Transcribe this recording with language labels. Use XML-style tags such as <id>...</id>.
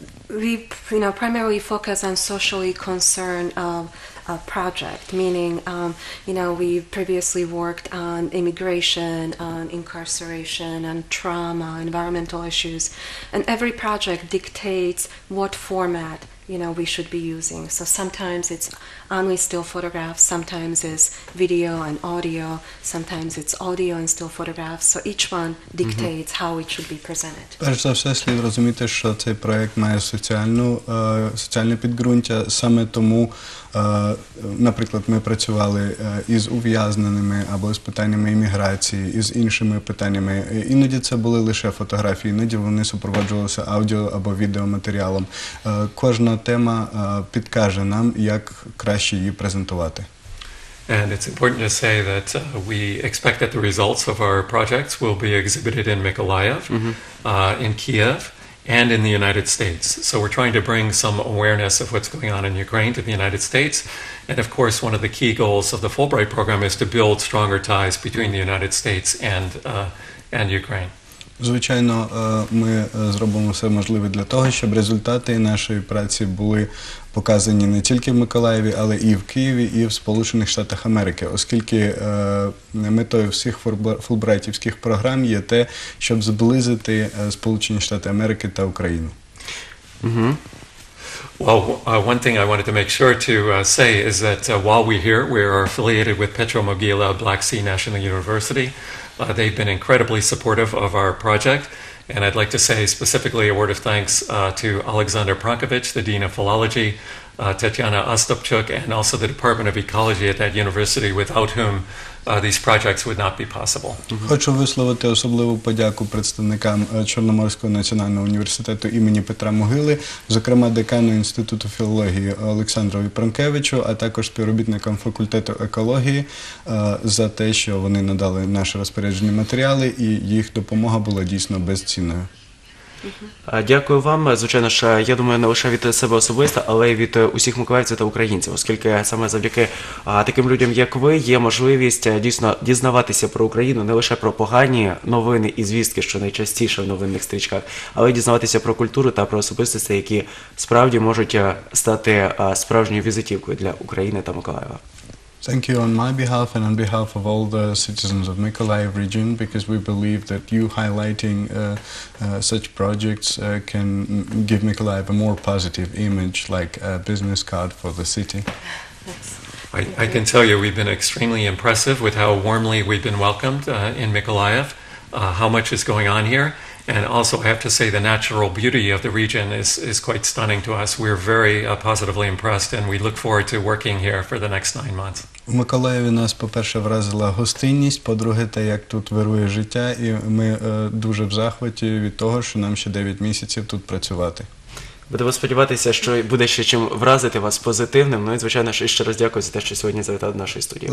<en>We you know, primarily focus on socially concerned project, meaning you know, we previously worked on immigration, on incarceration, on trauma, environmental issues, and every project dictates what format, you know, we should be using. So sometimes it's only still photographs, sometimes it's video and audio, sometimes it's audio and still photographs. So each one dictates mm-hmm. how it should be presented.</en> <uk>Перш за все, слід розуміти, що цей проект має соціальне підґрунтя. Саме тому, наприклад, ми працювали із ув'язненими або з питаннями імміграції, із іншими питаннями. Іноді це були лише фотографії, іноді вони супроводжувалися аудіо або відеоматеріалом. Кожна тема підкаже нам, як краще її презентувати.</uk> <en>And it's important to say that we expect that the results of our projects will be exhibited in Miколаїв, mm-hmm. In Kiev, and in the United States. So we're trying to bring some awareness of what's going on in Ukraine to the United States. And of course, one of the key goals of the Fulbright program is to build stronger ties between the United States and Ukraine.</en> <uk>Звичайно, ми зробимо все можливе для того, щоб результати нашої праці були показані не тільки в Миколаєві, але і в Києві, і в Сполучених Штатах Америки, оскільки метою всіх фулбрайтівських програм є те, щоб зблизити Сполучені Штати Америки та Україну. Mm-hmm.</uk> <en>Well, one thing I wanted to make sure to say is that while we're here, we are affiliated with Petromogila Black Sea National University. They've been incredibly supportive of our project. And I'd like to say specifically a word of thanks to Alexander Prankovich, the Dean of Philology, Tatiana Ostapchuk, and also the Department of Ecology at that university, without whom these projects would not be possible.</en> <uk>Хочу висловити особливу подяку представникам Чорноморського національного університету імені Петра Могили, зокрема декану Інституту філології Олександрові Пранкевичу, а також співробітникам факультету екології за те, що вони надали наші розпоряджені матеріали, і їх допомога була дійсно безцінною. Дякую вам. Звичайно ж, я думаю, не лише від себе особисто, але й від усіх миколаївців та українців, оскільки саме завдяки таким людям, як ви, є можливість дійсно дізнаватися про Україну не лише про погані новини і звістки, що найчастіше в новинних стрічках, але й дізнаватися про культуру та про особистості, які справді можуть стати справжньою візитівкою для України та Миколаєва.</uk> <en>Thank you on my behalf and on behalf of all the citizens of Miколаїв region, because we believe that you highlighting such projects can give Miколаїв a more positive image, like a business card for the city. I can tell you we've been extremely impressive with how warmly we've been welcomed in Miколаїв, how much is going on here, and also I have to say the natural beauty of the region is quite stunning to us. We're very positively impressed and we look forward to working here for the next 9 months.</en> <uk>У Миколаєві нас, по-перше, вразила гостинність, по-друге, те, як тут вирує життя, і ми дуже в захваті від того, що нам ще 9 місяців тут працювати. Будемо сподіватися, що буде ще чим вразити вас позитивним, ну і, звичайно, ще раз дякую за те, що сьогодні завітали до нашої студії.</uk>